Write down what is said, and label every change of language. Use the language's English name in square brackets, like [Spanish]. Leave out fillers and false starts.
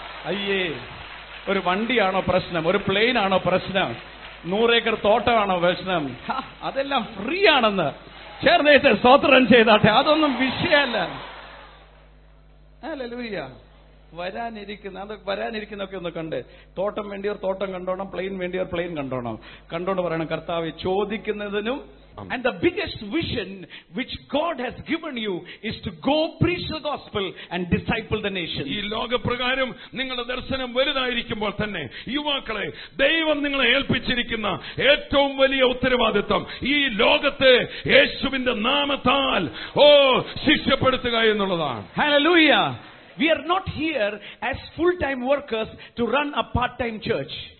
[Malayalam] അയ്യേ, ഒരു വണ്ടിയാണോ പ്രശ്നം, ഒരു പ്ലെയിനാണോ പ്രശ്നം, 100 ഏക്കർ തോട്ടമാണോ പ്രശ്നം, അതെല്ലാം ഫ്രീ ആണെന്ന് ചേർന്നേറ്റ് സ്തോത്രം ചെയ്താട്ടെ. അതൊന്നും വിഷയമല്ല. ഹല്ലേലൂയ, വരാനിരിക്കുന്ന അതൊക്കെ വരാനിരിക്കുന്നൊക്കെ ഒന്ന് കണ്ടേ. തോട്ടം വേണ്ടി ഒരു തോട്ടം കണ്ടോണം, പ്ലെയിൻ വേണ്ടി ഒരു പ്ലെയിൻ കണ്ടോണം. കണ്ടോണ്ട് പറയണം കർത്താവ് ചോദിക്കുന്നതിനും. [English] And the biggest vision which God has given you is to go preach the gospel and disciple the nation. [Malayalam] ഈ ലോകപ്രകാരം നിങ്ങളുടെ ദർശനം വലുതായിരിക്കുമ്പോൾ തന്നെ യുവാക്കളെ ദൈവം നിങ്ങളെ ഏൽപ്പിച്ചിരിക്കുന്ന ഏറ്റവും വലിയ ഉത്തരവാദിത്വം ഈ ലോകത്തെ യേശുവിന്റെ നാമത്താൽ ശിക്ഷപ്പെടുത്തുക എന്നുള്ളതാണ്. [English] Hallelujah. We are not here as full-time workers to run a part-time church.